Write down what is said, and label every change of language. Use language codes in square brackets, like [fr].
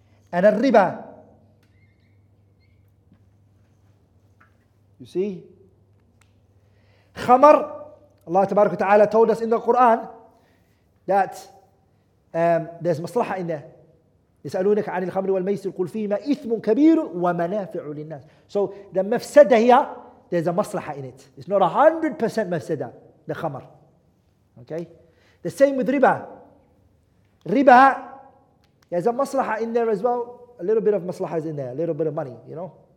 [en] And a riba. You see? Khamar, Allah Tabarak wa Ta'ala told us in the Quran that there's maslaha in there. [ar] يسألونك عن الخمر والميسر قل فيهما إثم كبير ومنافع للناس. [en] So the مفسدة here, there's a maslaha in it. It's not 100% مفسدة, the khamar. Okay? The same with riba. Riba, there's a maslaha in there as well. A little bit of maslaha is in there, a little bit of money, you know?